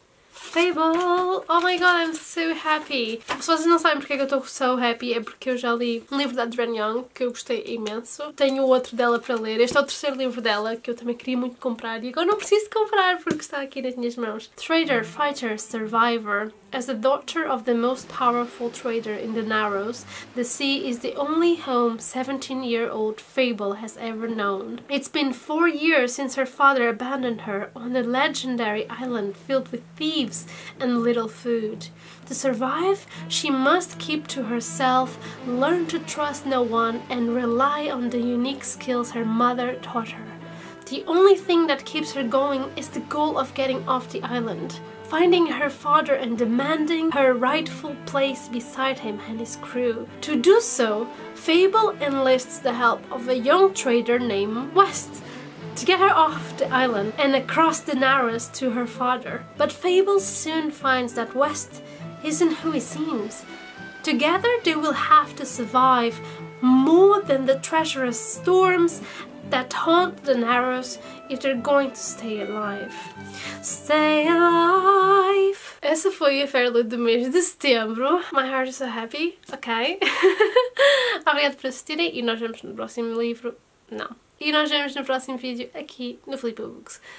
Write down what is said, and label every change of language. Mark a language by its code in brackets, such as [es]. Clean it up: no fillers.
[en] Fable! Oh my god, I'm so happy! [pt] Se vocês não sabem porque é que eu estou [en] so happy, [pt] é porque eu já li um livro da Adrienne Young, que eu gostei imenso. Tenho outro dela para ler. Este é o terceiro livro dela, que eu também queria muito comprar. E agora não preciso comprar, porque está aqui nas minhas mãos. [en] Trader, Fighter, Survivor. As the daughter of the most powerful trader in the Narrows, the sea is the only home 17-year-old Fable has ever known. It's been 4 years since her father abandoned her on a legendary island filled with thieves and little food. To survive, she must keep to herself, learn to trust no one, and rely on the unique skills her mother taught her. The only thing that keeps her going is the goal of getting off the island. Finding her father and demanding her rightful place beside him and his crew. To do so, Fable enlists the help of a young trader named West to get her off the island and across the Narrows to her father. But Fable soon finds that West isn't who he seems. Together they will have to survive more than the treacherous storms that haunt the Narrows if they're going to stay alive. Stay alive! [pt] Essa foi a Fairlude do mês de setembro. [en] My heart is so happy. [pt] Ok. Obrigada por assistirem e nós vemos no próximo livro. Não. E nós vemos no próximo vídeo aqui no Flipa Books.